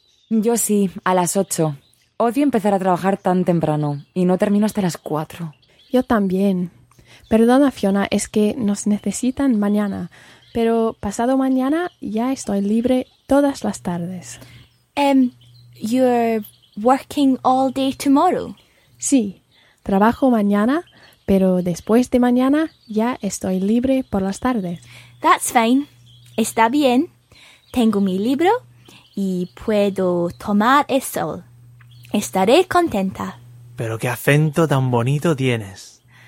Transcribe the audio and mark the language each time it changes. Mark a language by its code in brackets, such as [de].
[es] Yo sí, a las 8. Odio empezar a trabajar tan temprano y no termino hasta las 4. Yo también. Perdona, Fiona, es que nos necesitan mañana. Pero pasado mañana ya estoy libre todas las tardes. [en] You're working all day tomorrow? [es] Sí, trabajo mañana, pero después de mañana ya estoy libre por las tardes. [en] That's fine. [es] Está bien. Tengo mi libro y puedo tomar el sol. Estaré contenta. Pero qué acento tan bonito tienes.